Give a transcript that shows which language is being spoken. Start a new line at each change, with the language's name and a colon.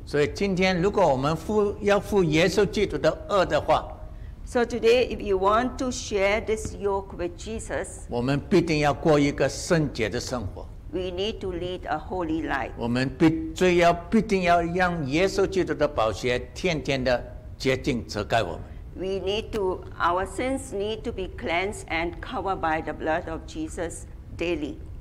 Chinese: 所以今天如果我们要负耶稣基督的轭的话，
English: So today, if you want to share this yoke with Jesus,
Chinese: 我们必定要过一个圣洁的生活。
English: We need to lead a holy life.
Chinese: 我们必定要让耶稣基督的宝血天天的洁净遮盖我们。
English: We need to, our sins need to be cleansed and covered by the blood of Jesus daily.